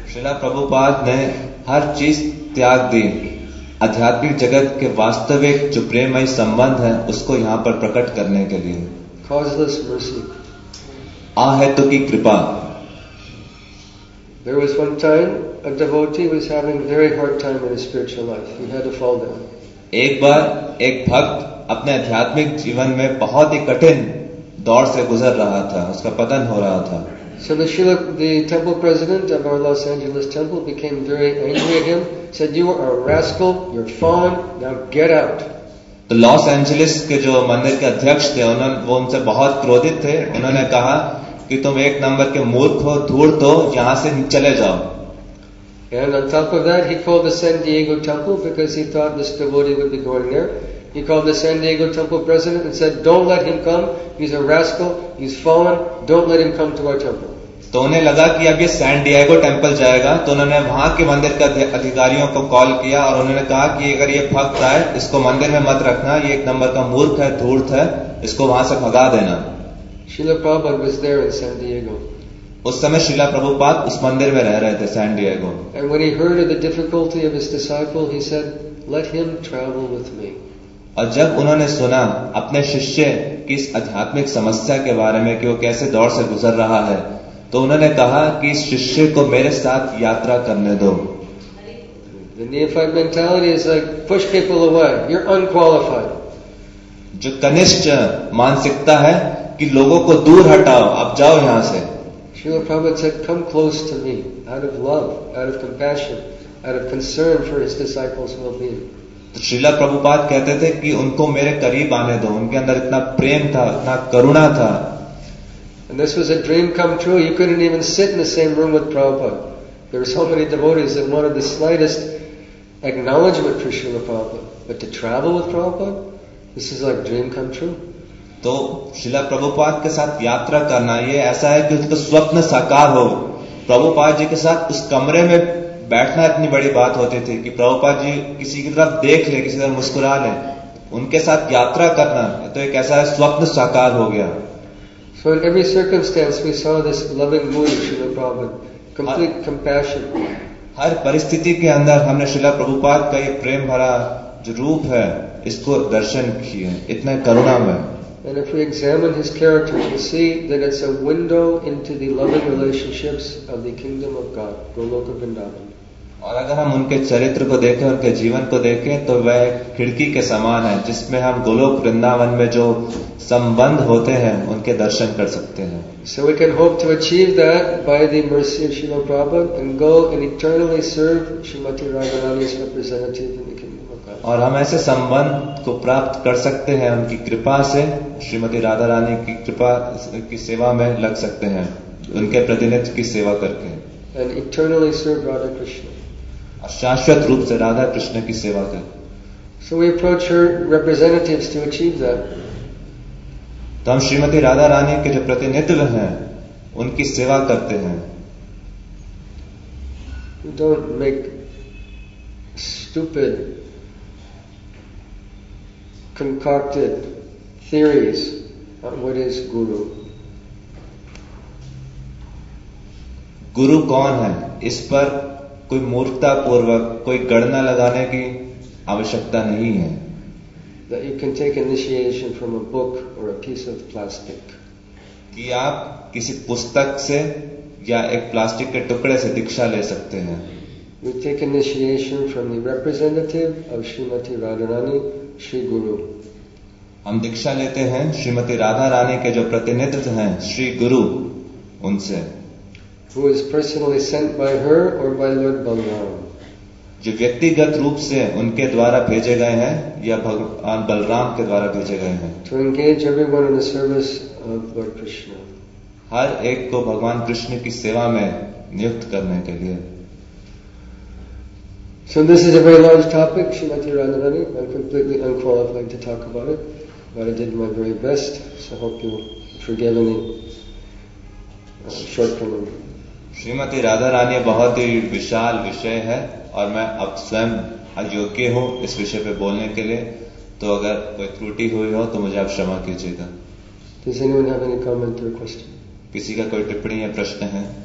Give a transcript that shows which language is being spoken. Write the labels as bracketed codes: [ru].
[hi] श्रीला प्रभुपाद ने हर चीज त्याग दी, आध्यात्मिक जगत के वास्तविक जो प्रेमय संबंध है उसको यहाँ पर प्रकट करने के लिए। [en] Causeless mercy. [hi] आहेतु की कृपा। [en] There was one time a devotee was having a very hard time in his spiritual life. He had to fall down. [hi] एक बार एक भक्त अपने आध्यात्मिक जीवन में बहुत ही कठिन दौर से गुजर रहा था, उसका पतन हो रहा था। [en] So the temple president of our Los Angeles temple became very angry at him. Said, "You are a rascal. You're fallen. Now get out." [hi] The Los Angeles के जो मंदिर के अध्यक्ष थे, उन्होंने वो उनसे बहुत क्रोधित थे। उन्होंने कहा कि तुम एक नंबर के मूर्ख हो, धूर्त हो, यहाँ से चले जाओ। [en] And on top of that, he called the San Diego temple because he thought this devotee would be going there. He called the San Diego temple president and said, don't let him come. He's a rascal. He's fallen. Don't let him come to our temple. [hi] तो उन्हें लगा कि अब ये San Diego temple जाएगा तो उन्होंने वहां के मंदिर के अधिकारियों को कॉल किया और उन्होंने कहा कि अगर ये भक्त आए इसको मंदिर में मत रखना ये एक नंबर का मूर्ख है धूर्त है इसको वहां से भगा देना [en] Srila Prabhupada was there in San Diego [hi] उस समय शीला प्रभुपाद उस मंदिर में रह रहे थे San Diego [en] and when he heard of the difficulty of his disciple he said let him travel with me [hi] और जब उन्होंने सुना अपने शिष्य की इस आध्यात्मिक समस्या के बारे में कि वो कैसे दौर से गुजर रहा है तो उन्होंने कहा कि इस शिष्य को मेरे साथ यात्रा करने दो [en] The neophyte mentality is like push people away. You're unqualified. [hi] जो कनिष्ठ मानसिकता है कि लोगों को दूर हटाओ अब जाओ यहां से [en] Srila Prabhupada said, come close to me out of love, out of compassion, out of concern for his disciples' well-being. [hi] तो श्रीला प्रभुपाद कहते थे कि उनको मेरे करीब आने दो उनके अंदर इतना प्रेम था इतना करुणा था [en] And this was a dream come true. You couldn't even sit in the same room with Prabhupada. There were so many devotees that wanted the slightest acknowledgement for Srila Prabhupada. But to travel with Prabhupada, this is like dream come true. [hi] तो श्रीला प्रभुपाद के साथ यात्रा करना ये ऐसा है कि उसको स्वप्न साकार हो प्रभुपाद जी के साथ उस कमरे में बैठना इतनी बड़ी बात होती थी कि प्रभुपाद जी किसी की तरफ देख ले किसी तरफ मुस्कुरा ले उनके साथ यात्रा करना तो एक ऐसा है स्वप्न साकार हो गया [en] So in every circumstance, we saw this loving mood of Srila Prabhupada, complete compassion. [hi] हर परिस्थिति के अंदर हमने श्रीला प्रभुपाद का ये प्रेम भरा जो रूप है, इसको दर्शन किए, इतने करुणा में. [en] And if we examine his character, we see that it's a window into the loving relationships of the kingdom of God, Goloka Vrindavan. [hi] और अगर हम उनके चरित्र को देखें, उनके जीवन को देखें, तो वह खिड़की के समान है, जिसमें हम गोलोक वृंदावन में जो संबंध होते हैं, उनके दर्शन कर सकते हैं। [en] So we can hope to achieve that by the mercy of Srila Prabhupada and go and eternally serve Srimati Radharani's representative in the kingdom of God. [hi] और हम ऐसे संबंध को प्राप्त कर सकते हैं उनकी कृपा से श्रीमती राधा रानी की कृपा की सेवा में लग सकते हैं उनके प्रतिनिधि की सेवा करके [en] And eternally serve Radha Krishna. [hi] शाश्वत रूप से राधा कृष्ण की सेवा कर [en] So we approach her representatives to achieve that. [hi] तो हम श्रीमती राधा रानी के जो प्रतिनिधित्व हैं, उनकी सेवा करते हैं [en] We don't make stupid, concocted theories on what is guru. [hi] गुरु कौन है इस पर कोई मूर्खता पूर्वक कोई गणना लगाने की आवश्यकता नहीं है [en] That you can take initiation from a book or a piece of plastic. [hi] कि आप किसी पुस्तक से या एक प्लास्टिक के टुकड़े से दीक्षा ले सकते हैं [en] We take initiation from the representative of Srimati Radharani, Shri Guru. [hi] हम दीक्षा लेते हैं श्रीमती राधा रानी के जो प्रतिनिधित्व हैं श्री गुरु उनसे [en] Who is personally sent by her or by Lord Balram? [hi] जो व्यक्तिगत रूप से उनके द्वारा भेजे गए हैं या भगवान बलराम के द्वारा भेजे गए हैं [en] To engage everyone in the service of Lord Krishna. [hi] हर एक को भगवान कृष्ण की सेवा में नियुक्त करने के लिए [en] So this is a very large topic, Srimati Radharani. I'm completely unqualified to talk about it, but I did my very best, so I hope you forgive any shortcoming. [hi] Shrimati Radha Rani बहुत ही विशाल विषय है और मैं अब स्वयं अयोग्य हूँ इस विषय पे बोलने के लिए तो अगर कोई त्रुटि हुई हो तो मुझे आप क्षमा कीजिएगा [en] Does anyone have any comment or question? [hi] किसी का कोई टिप्पणी या प्रश्न है